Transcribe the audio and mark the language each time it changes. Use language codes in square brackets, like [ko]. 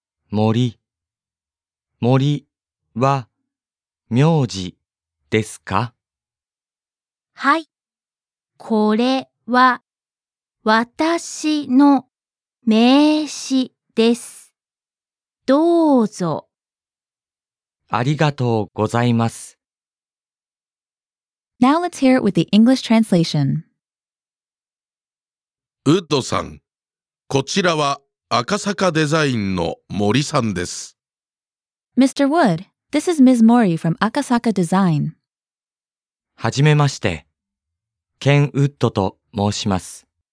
[ja] 森。森は名字ですか？はい。これは私の名刺です。どうぞ。ありがとうございます。 [en] Now let's hear it with the English translation. [ja] ウッドさん、こちらは赤坂デザインの森さんです。 [en] Mr. Wood, this is Ms. Mori from Akasaka Design. [ja] はじめまして。ケン・ウッドと申します。